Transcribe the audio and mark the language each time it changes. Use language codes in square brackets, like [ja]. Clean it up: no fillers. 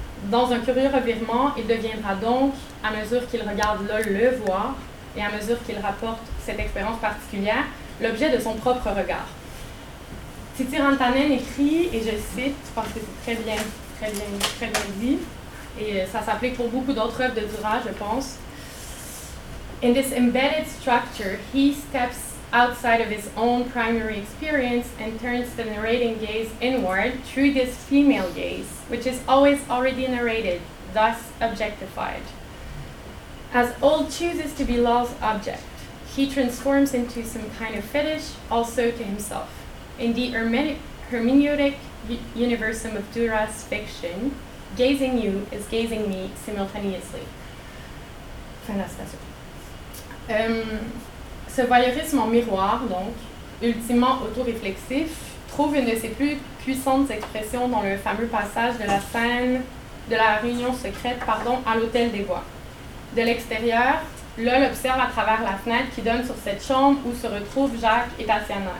[fr] Dans un curieux revirement, il deviendra donc, à mesure qu'il regarde LOL le voir, et à mesure qu'il rapporte cette expérience particulière, l'objet de son propre regard. Titi Rantanen écrit, et je cite, parce que c'est très bien, très bien, très bien dit, et ça s'applique pour beaucoup d'autres œuvres de Dura, je pense. [en] In this embedded structure, he steps outside of his own primary experience and turns the narrating gaze inward through this female gaze, which is always already narrated, thus objectified. As Old chooses to be Lol's object, he transforms into some kind of fetish, also to himself. In the hermeneutic universum of Dura's fiction, gazing you is gazing me simultaneously. [fr] Ce voyeurisme en miroir, donc, ultimement auto-réflexif, trouve une de ses plus puissantes expressions dans le fameux passage de la scène de la réunion secrète à l'Hôtel des Bois. De l'extérieur, LOL observe à travers la fenêtre qui donne sur cette chambre où se retrouvent Jacques et Tatiana.